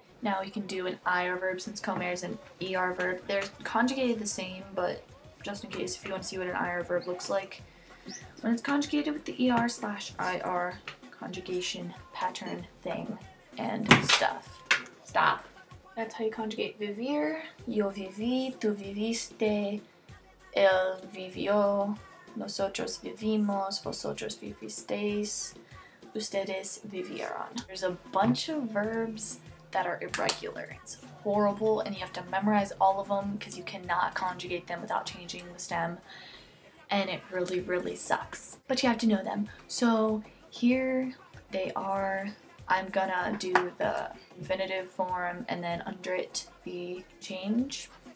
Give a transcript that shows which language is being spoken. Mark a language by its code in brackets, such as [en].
[en] Now we can do an IR verb, since comer is an ER verb. They're conjugated the same, but just in case, if you want to see what an IR verb looks like, when it's conjugated with the ER / IR conjugation pattern thing and stuff. Stop. That's how you conjugate vivir. [es] Yo viví, tú viviste, él vivió, nosotros vivimos, vosotros vivisteis, ustedes vivieron. [en] There's a bunch of verbs that are irregular. It's horrible, and you have to memorize all of them because you cannot conjugate them without changing the stem, and it really, really sucks. But you have to know them. So here they are. I'm gonna do the infinitive form and then under it the change.